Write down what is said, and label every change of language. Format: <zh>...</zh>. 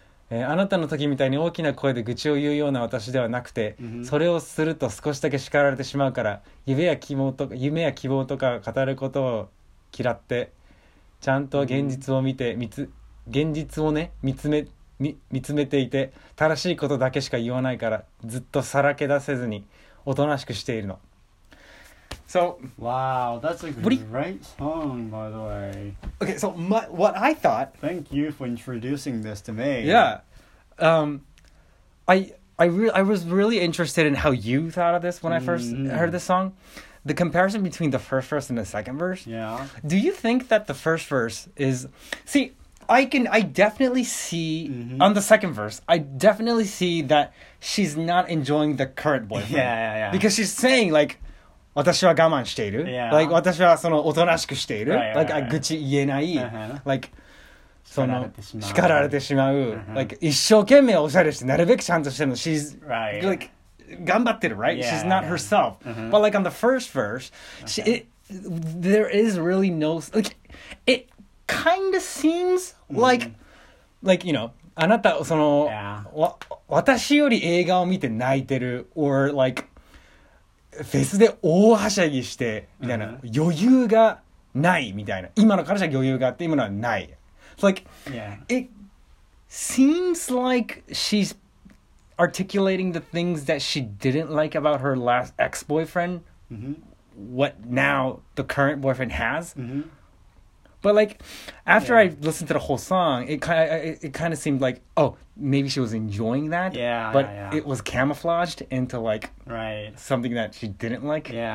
<ja>あなたの時みたいに大きな声で愚痴を言うような私ではなくて、それをすると少しだけ叱られてしまうから、夢や希望とか語ることを嫌って、ちゃんと現実を見て、現実をね、見つめていて、正しいことだけしか言わないから、ずっとさらけ出せずにおとなしくしているの。</ja> <en>So wow, that's a great song, by the way. Okay, so what I thought. Thank you for introducing this to me. Yeah, I was really interested in how you thought of this when I first heard this song. The comparison between the first verse and the second verse. Yeah. Do you think that the first verse is? See, I definitely see on the second verse. I definitely see that she's not enjoying the current boyfriend. Yeah. Because she's saying like.</en> <ja>私は我慢している。Like, 私はそのおとなしくしている。 Like, 愚痴言えない。Like, その、叱られてしまう。 Like, 一生懸命おしゃれして、なるべくちゃんとしてるの。</ja> <en>She's, like,</en> <ja>頑張ってる、</ja> <en>right? She's not herself. But, like, on the first verse, there is really no... Like, it kind of seems like, you know,</en> <ja>あなた、その、私より映画を見て泣いてる。</ja> <en>Or, like...</en> <ja>フェスで大はしゃぎしてみたいな、余裕がないみたいな、今の彼女は余裕があって今のはない。</ja> <en>It's like it seems like she's articulating the things that she didn't like about her last ex-boyfriend, what now the current boyfriend has, but like after I listened to the whole song, it kind of seemed like, oh, maybe she was enjoying that, it was camouflaged into like something that she didn't like.</en>